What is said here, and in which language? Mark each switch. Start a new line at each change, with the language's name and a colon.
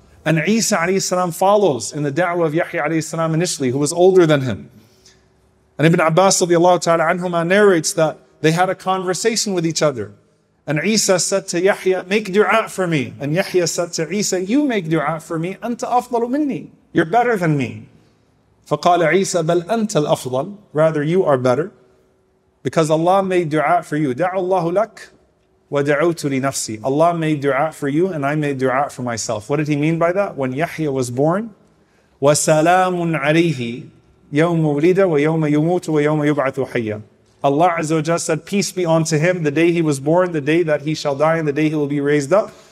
English: And Isa alayhi salam follows in the da'wah of Yahya alayhi salam initially, who was older than him. And Ibn Abbas radiallahu ta'ala anhuma narrates that they had a conversation with each other. And Isa said to Yahya, make dua for me. And Yahya said to Isa, you make dua for me.
Arabic: Anta afdalu minni.
English: You're better than me.
Arabic: فَقَالَ عِيسَى بَلْ أَنْتَ الْأَفْضَلُ
English: Rather, you are better. Because Allah made dua for you.
Arabic: دَعُوا اللَّهُ لَكْ وَدَعُوتُ لِنَفْسِي
English: Allah made dua for you and I made dua for myself. What did he mean by that? When Yahya was born,
Arabic: وَسَلَامٌ عَلَيْهِ يَوْمُ وُلِدَ وَيَوْمَ يُمُوتُ وَيَوْمَ يُبْعَثُ حَيًّا
English: Allah Azza wa Jal said, peace be unto him, the day he was born, the day that he shall die, and the day he will be raised up.